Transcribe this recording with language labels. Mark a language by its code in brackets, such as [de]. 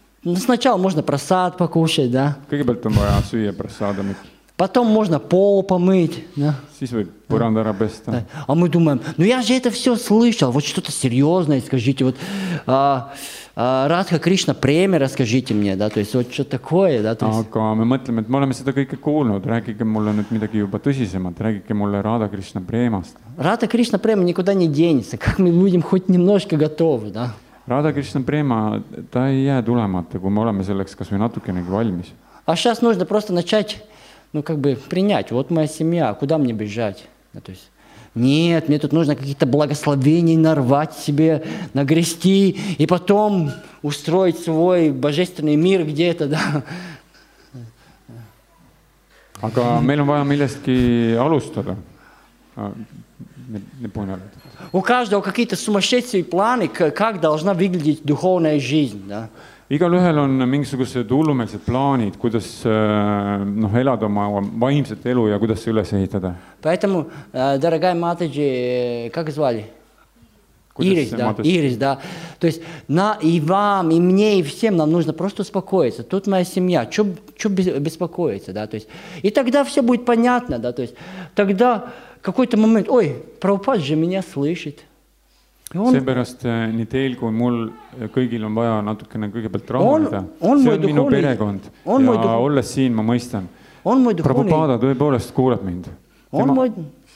[ru] Ну сначала можно прасад покушать, да. [et] Kõigepealt on vaja süüa prasadami. [ru] Потом можно пол помыть. Да? [et] Siis võib põranda ära pesta. Да. [ru] А мы думаем, ну я же это все слышал, вот что-то серьезное скажите. Вот, Радха Кришна преми расскажите мне, да, то есть вот что такое. Да, то есть... [et] Aga me mõtleme, et me oleme seda kõike kuulnud, räägige mulle nüüd midagi juba tõsisemat, räägige mulle Radha Krishna preemast. [ru] Radha Krishna preemi никуда не денется, как мы будем хоть немножко готовы. Да? [et] Radha Krishna preema, ta ei jää tulemata, kui me oleme selleks kas või natukenegi valmis. [ru] А сейчас нужно просто начать... Ну, как бы принять, вот моя семья, куда мне бежать? Да, то есть, нет, мне тут нужно какие-то благословения нарвать себе, нагрести, и потом устроить свой божественный мир где-то, да. [et] Aga meil on vaja millestki alustada. [ru] Не понял. У каждого какие-то сумасшедшие планы, как должна выглядеть духовная жизнь, да. [et] Igal ühel on mingisugused hullumeelsed plaanid, kuidas noh, elada oma vaimset elu ja kuidas see üles ehitada. [ru] Поэтому, дорогая матаджи, как звали? Iris, да. Iris, да. То есть, на и вам, и мне, и всем нам нужно просто успокоиться. Тут моя семья. Чё беспокоиться, да? То есть, и тогда все будет понятно, да? То есть, тогда какой-то момент, ой, Прабхупад же меня слышит. [et] Seepärast nii teil kui mul kõigil on vaja natukene kõigepealt rahulda. See on minu perekond ja olles siin ma mõistan. Prabhupada tõepoolest kuuleb mind.